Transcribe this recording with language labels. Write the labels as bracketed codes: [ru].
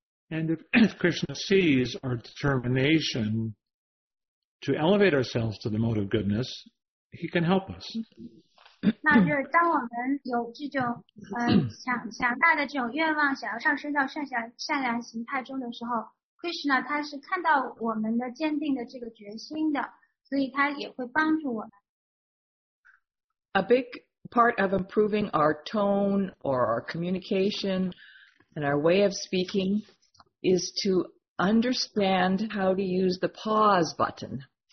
[en] And if Krishna sees our determination to elevate ourselves to the mode of goodness, he can help us. [zh] 那就是当我们有这种强大的这种愿望，想要上升到善良形态中的时候， Krishna 他是看到我们的坚定的这个决心的，所以他也会帮助我们。A [en] big part of improving our tone or our communication and our way of speaking is to understand how to use the pause button.